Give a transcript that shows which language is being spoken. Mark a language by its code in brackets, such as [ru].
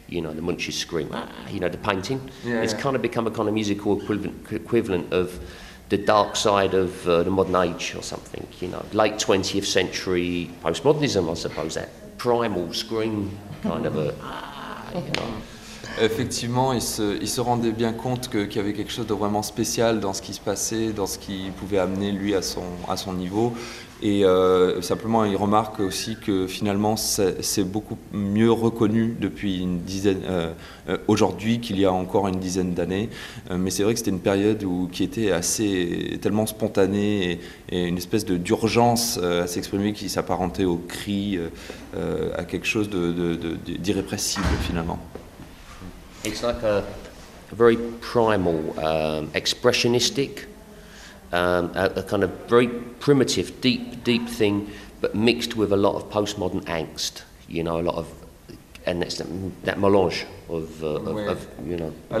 [en] You know, the Munchies Scream, you know, the painting. Yeah, it's yeah. kind of become a kind of musical equivalent of the dark side of the modern age or something, you know. Late 20th century postmodernism, I suppose, that primal Scream kind of a, you know. [fr] Effectivement, il se rendait bien compte qu'il y avait quelque chose de vraiment spécial dans ce qui se passait, dans ce qui pouvait amener lui à son niveau. Et simplement, il remarque aussi que finalement, c'est beaucoup mieux reconnu depuis une dizaine, aujourd'hui qu'il y a encore une dizaine d'années. Mais c'est vrai que c'était une période qui était assez tellement spontanée et une espèce d'urgence à s'exprimer qui s'apparentait au cri, à quelque chose d'irrépressible finalement. [en] It's like a, very primal, expressionistic, a kind of very primitive, deep thing, but mixed with a lot of postmodern angst, you know, a lot of, and that's that mélange of, of, you know.